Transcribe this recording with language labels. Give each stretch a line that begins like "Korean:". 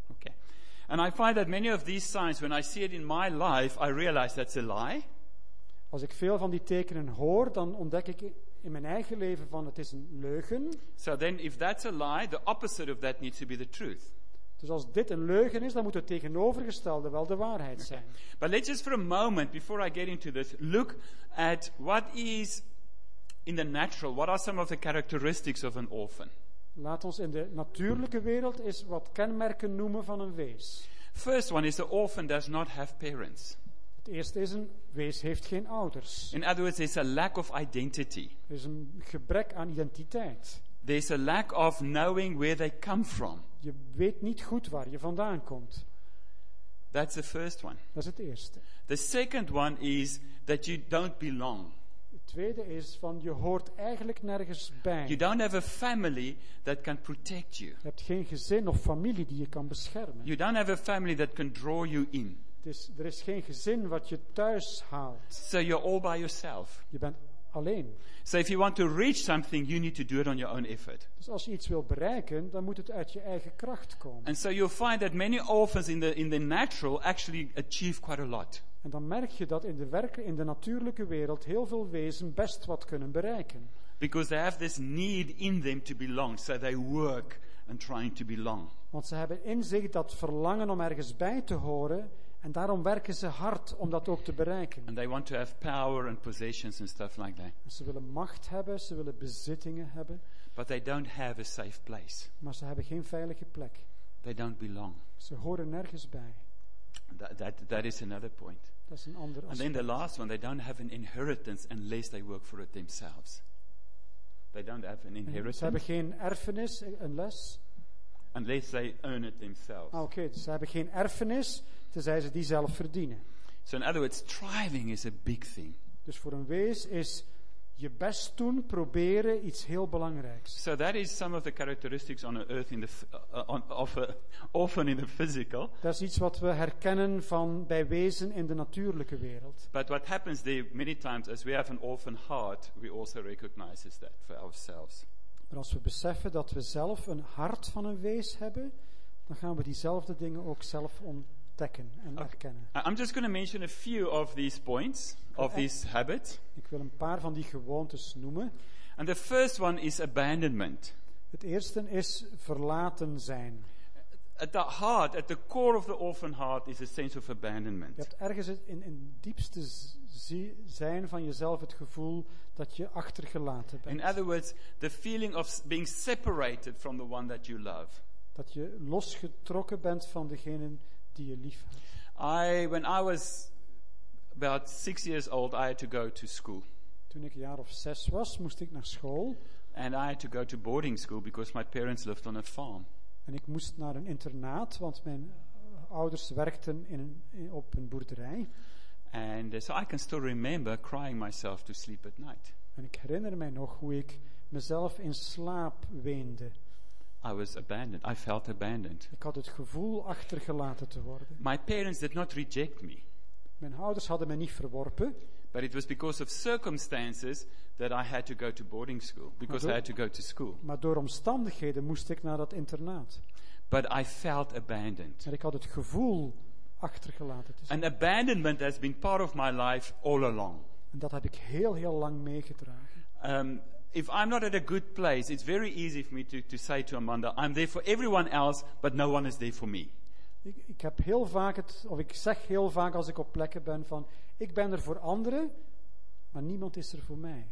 English: Okay. And I find that many of these signs, when I see it in my life, I realize that's a lie.
Dutch: Als ik veel van die tekenen hoor, dan ontdek ik in mijn eigen leven van het is een leugen.
English: So then, if that's a lie, the opposite of that needs to be the truth.
Dutch: Dus als dit een leugen is, dan moet het tegenovergestelde wel de waarheid zijn.
English: Okay. But let's just for a moment, before I get into this, look at what is in the natural, what are some of the characteristics of an orphan?
Dutch: Laat ons in de natuurlijke wereld eens wat kenmerken noemen van een wees.
English: First one is the orphan does not have parents.
Dutch: Het eerste is een wees heeft geen ouders.
English: In other words, there's a lack of identity.
Dutch: Er is een gebrek aan identiteit.
English: There's a lack of knowing where they come from.
Dutch: Je weet niet goed waar je vandaan komt.
English: That's the first one.
Dutch: Dat is het eerste.
English: The second one is that you don't belong.
Dutch: Het tweede is van je hoort eigenlijk nergens bij.
English: You don't have a family that can protect you.
Dutch: Je hebt geen gezin of familie die je kan beschermen.
English: You don't have a family that can draw you in.
Dutch: Er is geen gezin wat je thuis haalt.
English: So you're all by yourself.
Dutch: Je bent alleen.
English: So if you want to reach something, you need to do it on your own effort.
Dutch: Dus als je iets wil bereiken, dan moet het uit je eigen kracht komen.
English: And so you'll find that many orphans in the natural actually achieve quite a lot.
Dutch: En dan merk je dat in de natuurlijke wereld heel veel wezen best wat kunnen bereiken.
English: Because they have this need in them to belong, so they work and trying to belong.
Dutch: Want ze hebben in zich dat verlangen om ergens bij te horen. En daarom werken ze hard om dat ook te bereiken.
English: And they want to have power and possessions and stuff like that.
Dutch: Ze willen macht hebben, ze willen bezittingen hebben.
English: But they don't have a safe place.
Dutch: Maar ze hebben geen veilige plek.
English: They don't belong.
Dutch: Ze horen nergens bij.
English: That is another point.
Dutch: Dat is een ander aspect.
English: And then the last one, they don't have an inheritance unless they work for it themselves. They don't have an inheritance.
Dutch: Ze hebben geen erfenis
English: unless they earn it themselves. Ah, okay.
Dutch: Ze hebben geen erfenis tenzij ze die zelf verdienen.
English: So in other words, striving is a big thing.
Dutch: Dus voor een wees is je best doen, proberen iets heel belangrijks.
English: So that is some of the characteristics on earth in the often in the physical.
Dutch: Dat is iets wat we herkennen van bij wezen in de natuurlijke wereld.
English: But what happens there many times as we have an orphan heart, we also recognize that for ourselves.
Dutch: Maar als we beseffen dat we zelf een hart van een wees hebben, dan gaan we diezelfde dingen ook zelf ontdekken en erkennen.
English: Okay. I'm just going to mention a few of these points of these habits.
Dutch: Ik wil een paar van die gewoontes noemen.
English: And the first one is abandonment.
Dutch: Het eerste is verlaten zijn.
English: At the heart, at the core of the orphan heart is a sense of abandonment.
Dutch: Je hebt ergens in diepste zijn van jezelf het gevoel dat je achtergelaten bent.
English: In other words, the feeling of being separated from the one that you love.
Dutch: Dat je losgetrokken bent van degene die je lief hebt.
English: When I was about 6 years old, I had to go to school.
Dutch: Toen ik een jaar of 6 was, moest ik naar school.
English: And I had to go to boarding school because my parents lived on a farm.
Dutch: En ik moest naar een internaat, want mijn ouders werkten op een boerderij.
English: And so I can still remember crying myself to sleep at night.
Dutch: En ik herinner mij nog hoe ik mezelf in slaap weende.
English: I was abandoned. I felt abandoned.
Dutch: Ik had het gevoel achtergelaten te worden.
English: My parents did not reject me.
Dutch: Mijn ouders hadden mij niet verworpen.
English: But it was because of circumstances that I had to go to boarding school. Because I had to go to school.
Dutch: Maar door omstandigheden moest ik naar dat internaat.
English: But I felt abandoned.
Dutch: Maar ik had het gevoel achtergelaten te zijn.
English: And abandonment has been part of my life all along.
Dutch: En dat heb ik heel, heel lang meegedragen.
English: If I'm not at a good place, it's very easy for me to say to Amanda, I'm there for everyone else, but no one is there for me.
Dutch: Ik heb heel vaak ik zeg heel vaak als ik op plekken ben van, ik ben er voor anderen, maar niemand is er voor mij.